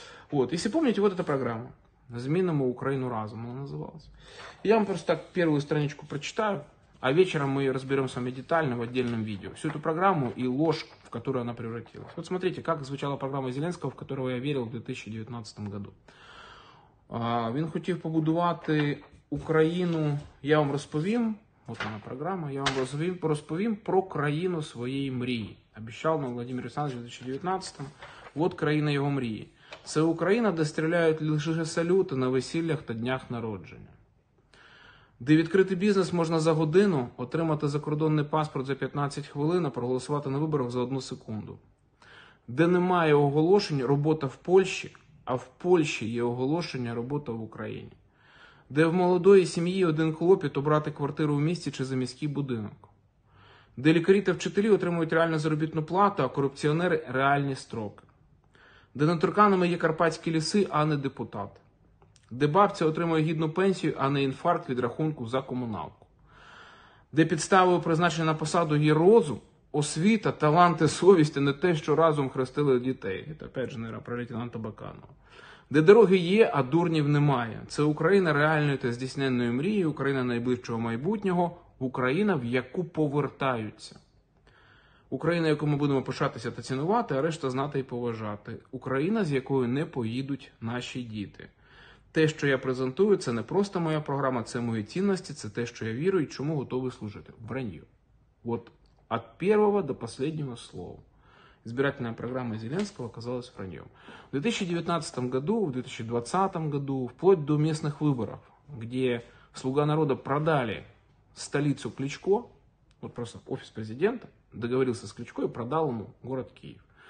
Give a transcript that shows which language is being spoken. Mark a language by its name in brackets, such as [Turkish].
[Russian] Вот, если помните, вот эта программа, «Змеиному Украину разум» она называлась. Я вам просто так первую страничку прочитаю, а вечером мы ее разберем с вами детально в отдельном видео. Всю эту программу и ложь, в которую она превратилась. Вот смотрите, как звучала программа Зеленского, в которую я верил в 2019 году. [Ukrainian] «Він хотів побудувати Україну, я вам розповім», [Russian] вот она программа, [Ukrainian] «я вам розповім про країну своєї мрії», [Russian] обещал нам Владимир Александрович в 2019, вот [Ukrainian] «країна його мрії». Це Україна, де стріляють лише салюти на весіллях та днях народження. Де відкрити бізнес можна за годину, отримати закордонний паспорт за 15 хвилин, а проголосувати на виборах за одну секунду. Де немає оголошень, робота в Польщі, а в Польщі є оголошення, робота в Україні. Де в молодої сім'ї один клопіт обрати квартиру в місті чи за міський будинок. Де лікарі та вчителі отримують реальну заробітну плату, а корупціонери – реальні строки. Де нетурканами є карпатські ліси, а не депутат. Де бабця отримує гідну пенсію, а не інфаркт від рахунку за комуналку. Де підставою призначення на посаду є розум, освіта, таланти, совість, а не те, що разом хрестили дітей. Це, опять же, про лейтенанта Баканова. Де дороги є, а дурнів немає. Це Україна реальної та здійсненної мрії, Україна найближчого майбутнього, Україна, в яку повертаються. Україна, яку ми будемо пишатися та цінувати, а решта знати і поважати. Україна, з якою не поїдуть наші діти. Те, що я презентую, це не просто моя програма, це мої цінності, це те, що я вірую і чому готовий служити. [Russian] Вранье. [Ukrainian] От від першого до останнього слова. [Russian] избирательная программа Зеленского оказалась враньем. В 2019 году, в 2020 году, вплоть до местных выборов, где «Слуга народа» продали столицу Кличко, вот просто офис президента, договорился с Кличко и продал ему город Киев.